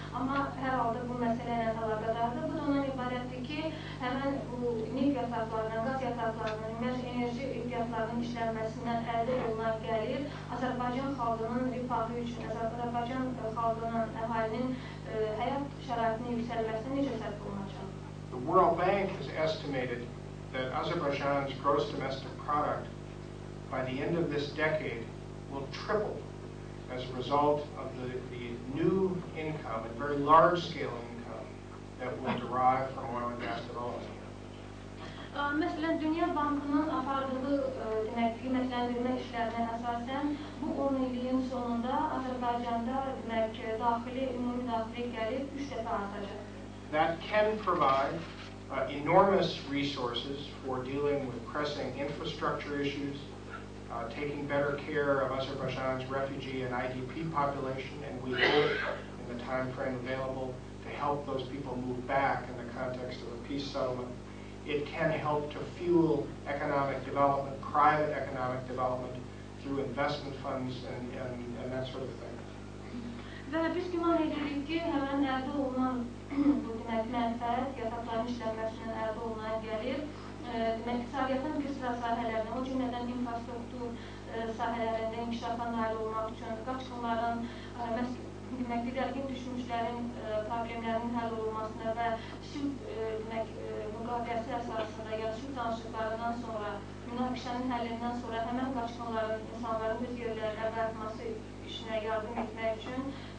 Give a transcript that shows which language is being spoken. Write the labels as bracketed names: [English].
[Azerbaijani] Amma hər halda bu məsələ ilə əlaqədardır. Bu da ondan ibarətdir ki, həmin bu neft yataqlarının, qaz yataqlarının, ümumiyyətlə enerji ehtiyatlarının işlənməsindən əldə olunan gəlir Azərbaycan xalqının rifahı üçün, Azərbaycan xalqının əhalinin həyat şəraitini yüksəlməsinə necə səbəb olacaq? [English] The World Bank has estimated that Azerbaijan's gross domestic product by the end of this decade will triple as a result of the new income and very large scale income that will derive from oil and gas development. [Azerbaijani] Məsələn, Dünya Bankının apardığı qiymətləndirmə işlərinə əsasən, bu 10 ilin sonunda Azərbaycanda daxili ümumi daxili gəlir 3 dəfə artacaq. [English] That can provide enormous resources for dealing with pressing infrastructure issues, taking better care of Azerbaijan's refugee and IDP population, and we hope in the time frame available to help those people move back in the context of a peace settlement. It can help to fuel economic development, private economic development, through investment funds and that sort of thing. [Azerbaijani] Və biz güman edirik ki, həmən əldə olunan bu demək mənfəət, yataqların işlənməsindən əldə olunan gəlir. Demək, iqtisadiyyatın bir sıra sahələrinə, o cümlədən infrastruktur sahələrində inkişafa nail olmaq üçün, qaçqınların, demək, digərgin düşmüşlərin problemlərinin həll olunmasına və sülh müqaviyyəsi əsasında, yəni sülh danışıqlarından sonra, münaqişənin həllindən sonra həmən qaçqınların, insanların öz yerlərinə qayıtması işinə yardım etmək üçün